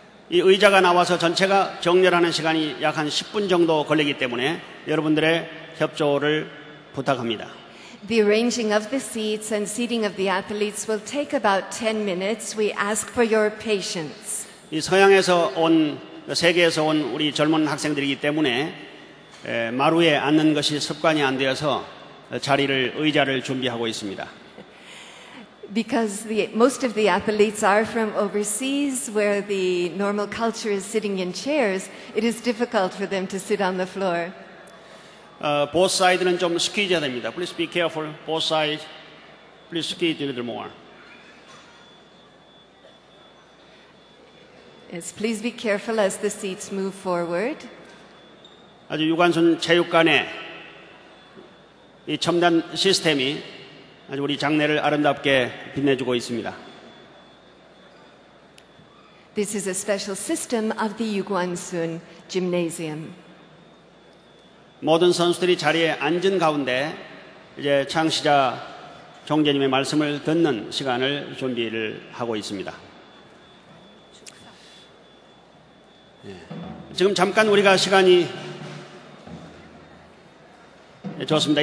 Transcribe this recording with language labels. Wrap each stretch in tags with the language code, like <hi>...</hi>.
<ko>이 의자가 나와서 전체가 정렬하는 시간이 약 한 10분 정도 걸리기 때문에 여러분들의 협조를 부탁합니다.</ko> <en>The arranging of the seats and seating of the athletes will take about 10 minutes. We ask for your patience.</en> <ko>이 서양에서 온 세계에서 온 우리 젊은 학생들이기 때문에 마루에 앉는 것이 습관이 안 되어서 자리를 의자를 준비하고 있습니다.</ko> <en>Because the most of the athletes are from overseas where the normal culture is sitting in chairs, it is difficult for them to sit on the floor. Both sides는</en> <ko>좀</ko> <en>squeeze</en> <ko>됩니다.</ko> <en>Please be careful. Both sides. Please squeeze a little more. Yes, please be careful as the seats move forward.</en> <ko>아주 유관순 체육관의 이 첨단 시스템이 아주 우리 장례를 아름답게 빛내주고 있습니다.</ko> <en>This is a special system of the Yuguansun Gymnasium.</en> <ko>모든 선수들이 자리에 앉은 가운데 이제 창시자 종재님의 말씀을 듣는 시간을 준비를 하고 있습니다. 예. 지금 잠깐 우리가 시간이 좋습니다.</ko>